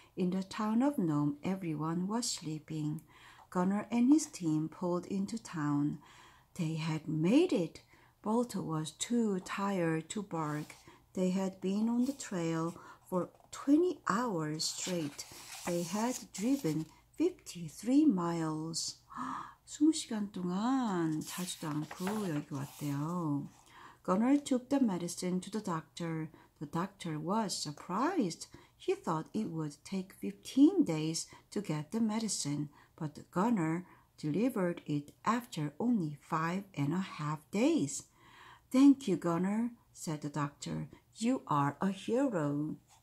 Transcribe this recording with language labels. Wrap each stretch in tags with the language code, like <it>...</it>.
<en>In the town of Nome, everyone was sleeping. Gunner and his team pulled into town. They had made it. Balto was too tired to bark. They had been on the trail for 20 hours straight. They had driven 53 miles.</en> <ko>20시간 동안 자지도 않고 여기 왔대요.</ko> <en>Gunner took the medicine to the doctor. The doctor was surprised. He thought it would take 15 days to get the medicine, but Gunner delivered it after only 5.5 days. "Thank you, Gunner," said the doctor. "You are a hero."</en>